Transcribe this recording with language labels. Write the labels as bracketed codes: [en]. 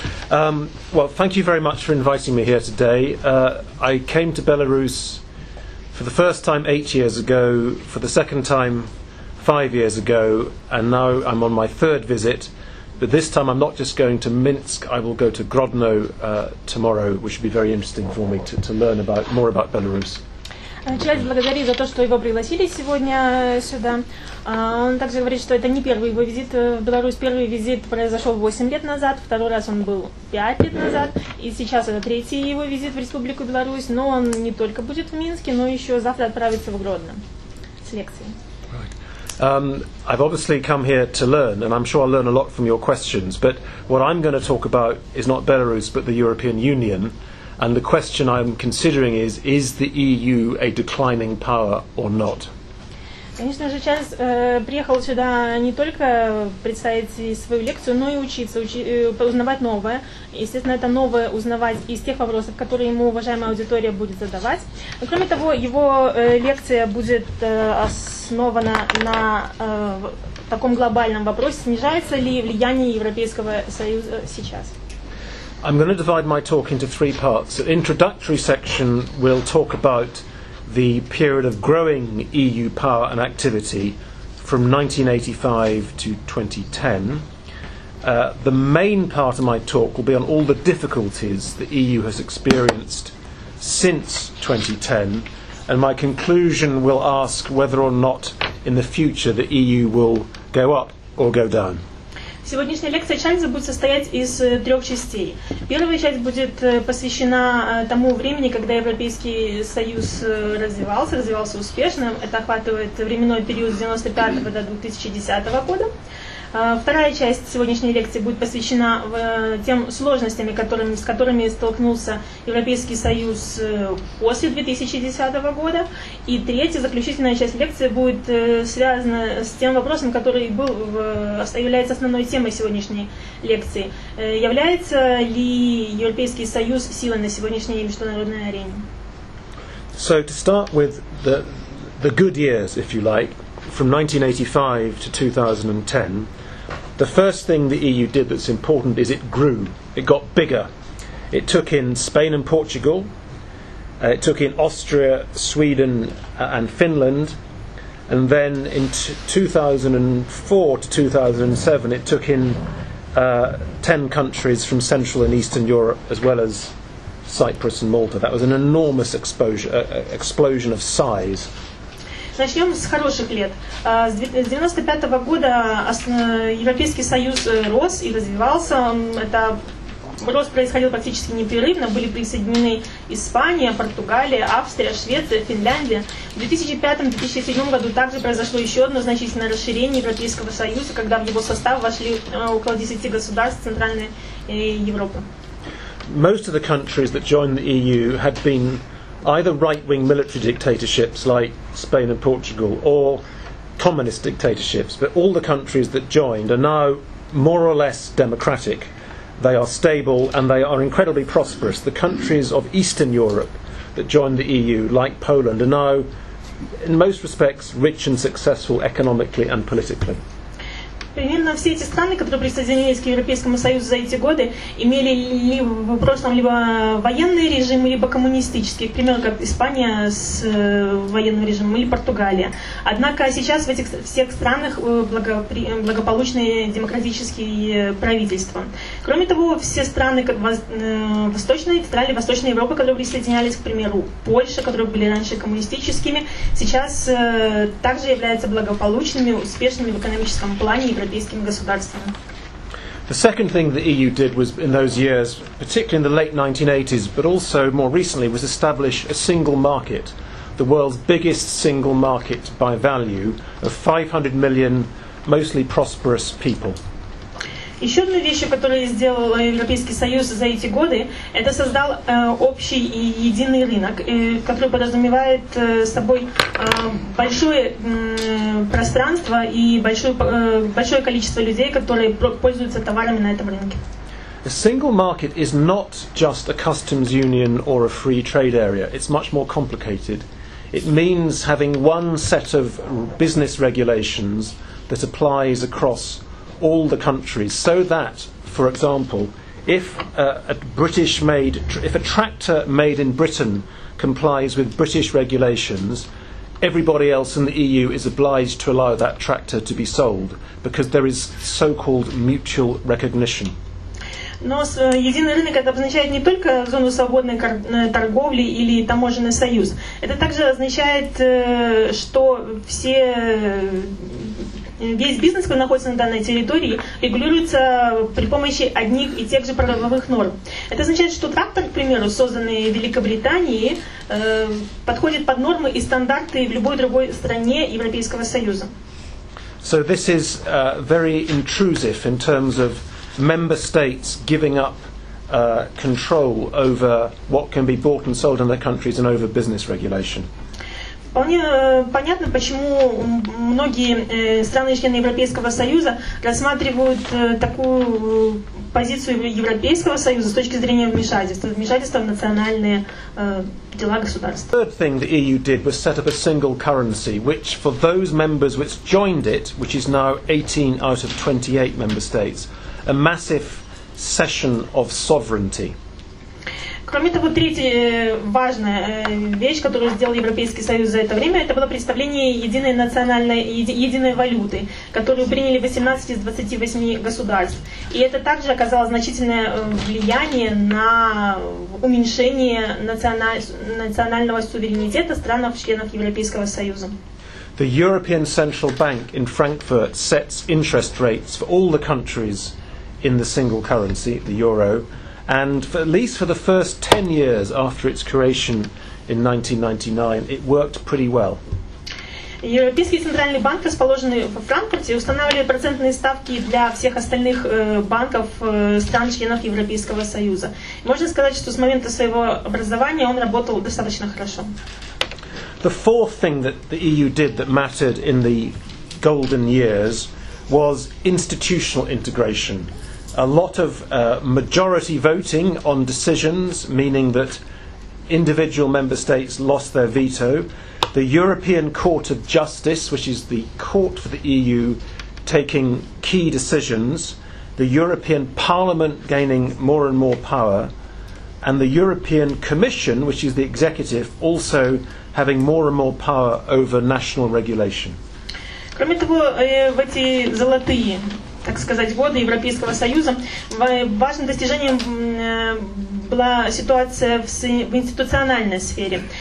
[en] Well, thank you very much for inviting me here today. I came to Belarus for the first time 8 years ago, for the second time 5 years ago, and now I'm on my third visit. But this time I'm not just going to Minsk, I will go to Grodno tomorrow, which will be very interesting for me to learn about more about Belarus. [ru] Чарльз благодарит за то, что его пригласили сегодня сюда. Он также говорит, что это не первый его визит в Беларусь. Первый визит произошел 8 лет назад, второй раз он был 5 лет назад, и сейчас это третий его визит в Республику Беларусь. Но он не только будет в Минске, но еще завтра отправится в Гродно с лекцией. [en] I've obviously come here to learn, and I'm sure I'll learn a lot from your questions, but what I'm going to talk about is not Belarus, but the European Union. And the question I'm considering is the EU a declining power or not? [ru] Конечно же, сейчас приехал сюда не только представить свою лекцию, но и учиться, узнавать новое. Естественно, это новое узнавать из тех вопросов, которые ему уважаемая аудитория будет задавать. Но, кроме того, его лекция будет основана на таком глобальном вопросе, снижается ли влияние Европейского Союза сейчас. [en] I'm going to divide my talk into three parts. The introductory section will talk about the period of growing EU power and activity from 1985 to 2010. The main part of my talk will be on all the difficulties the EU has experienced since 2010, and my conclusion will ask whether or not in the future the EU will go up or go down. [ru] Сегодняшняя лекция Чарльза будет состоять из трех частей. Первая часть будет посвящена тому времени, когда Европейский Союз развивался успешно. Это охватывает временной период с 1995 до 2010 года. Вторая часть сегодняшней лекции будет посвящена тем сложностям, с которыми столкнулся Европейский Союз после 2010 года. И третья, заключительная часть лекции будет связана с тем вопросом, который является основной темой сегодняшней лекции. Является ли Европейский Союз силой на сегодняшней международной арене? [en] So to start with the good years, if you like, from 1985 to 2010, the first thing the EU did that's important is it grew. It got bigger. It took in Spain and Portugal. It took in Austria, Sweden, and Finland. And then in 2004 to 2007, it took in 10 countries from Central and Eastern Europe, as well as Cyprus and Malta. That was an enormous explosion of size. [ru] Начнем с хороших лет. С 1995 года Европейский Союз рос и развивался. Это рост происходил практически непрерывно. Были присоединены Испания, Португалия, Австрия, Швеция, Финляндия. В 2005-2007 году также произошло еще одно значительное расширение Европейского Союза, когда в его состав вошли около 10 государств Центральной Европы. [en] Most of the countries that joined the EU had been either right-wing military dictatorships like Spain and Portugal or communist dictatorships, but all the countries that joined are now more or less democratic. They are stable and they are incredibly prosperous. The countries of Eastern Europe that joined the EU, like Poland, are now in most respects rich and successful economically and politically. [ru] Примерно все эти страны, которые присоединились к Европейскому Союзу за эти годы, имели либо в прошлом либо военный режим, либо коммунистический, к примеру, как Испания с военным режимом, или Португалия. Однако сейчас в этих всех странах благополучные демократические правительства. Кроме того, все страны Восточной Европы, которые присоединялись, к примеру, Польша, которые были раньше коммунистическими, сейчас также являются благополучными, успешными в экономическом плане европейскими. [en] The second thing the EU did was in those years, particularly in the late 1980s, but also more recently, was establish a single market, the world's biggest single market by value of 500 million mostly prosperous people. [ru] Еще одна вещь, которую сделал Европейский Союз за эти годы, это создал общий и единый рынок, который подразумевает собой большое пространство и большое количество людей, которые пользуются товарами на этом рынке. [en] A single market is not just a customs union or a free trade area. It's much more complicated. It means having one set of business regulations that applies across all the countries, so that, for example, if a tractor made in Britain complies with British regulations, everybody else in the EU is obliged to allow that tractor to be sold, because there is so-called mutual recognition. [ru] Но единый рынок это обозначает не только зону свободной торговли или таможенный союз. Это также означает, что все весь бизнес, который находится на данной территории, регулируется при помощи одних и тех же правовых норм. Это означает, что трактор, к примеру, созданный в Великобритании, подходит под нормы и стандарты в любой другой стране Европейского Союза. [en] So this is very intrusive in terms of member states giving up control over what can be bought and sold in their countries and over business regulation. [ru] Вполне понятно, почему многие страны члены Европейского Союза рассматривают такую позицию Европейского Союза с точки зрения вмешательства в национальные дела государств. [en] The third thing the EU did was set up a single currency, which for those members which joined it, which is now 18 out of 28 member states, a massive cession of sovereignty. [ru] Кроме того, третья важная вещь, которую сделал Европейский Союз за это время, это было представление единой национальной, единой валюты, которую приняли 18 из 28 государств. И это также оказало значительное влияние на уменьшение национального суверенитета стран-членов Европейского Союза. [en] The European Central Bank in Frankfurt sets interest rates for all the countries in the single currency, the euro, and for at least for the first 10 years after its creation in 1999, it worked pretty well. [ru] Европейский центральный банк, расположенный во Франкфурте, устанавливает процентные ставки для всех остальных банков стран-членов Европейского Союза. Можно сказать, что с момента своего образования он работал достаточно хорошо. [en] The fourth thing that the EU did that mattered in the golden years was institutional integration. A lot of majority voting on decisions, meaning that individual member states lost their veto. The European Court of Justice, which is the court for the EU, taking key decisions. The European Parliament gaining more and more power. And the European Commission, which is the executive, also having more and more power over national regulation. [ru] Кроме того, в эти золотые, так сказать, годы Европейского Союза важным достижением была ситуация в институциональной сфере.